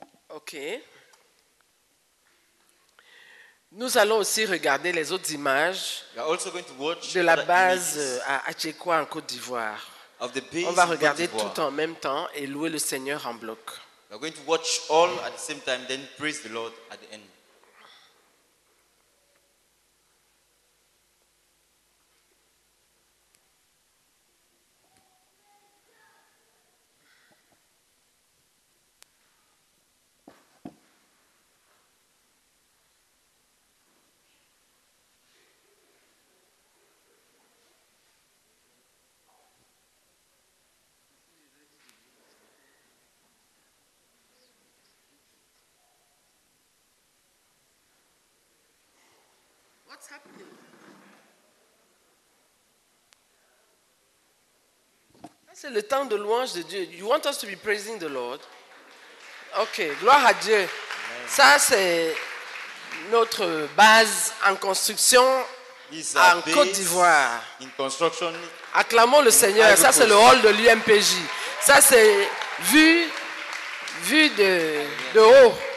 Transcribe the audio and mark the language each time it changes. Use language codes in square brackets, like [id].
[fr] Ok. Nous allons aussi regarder les autres images de la base à Achekwa en Côte d'Ivoire. On va regarder tout en même temps et louer le Seigneur en bloc. [en] We are going to watch all at the same time, then praise the Lord at the end. [fr] C'est le temps de louange de Dieu. [en] You want us to be praising the Lord? [fr] Ok, gloire à Dieu. Ça, c'est notre base en construction en Côte d'Ivoire. [en] In construction. [fr] Acclamons le Seigneur. Ça, c'est le hall de l'UMPJ. Ça, c'est vu de haut.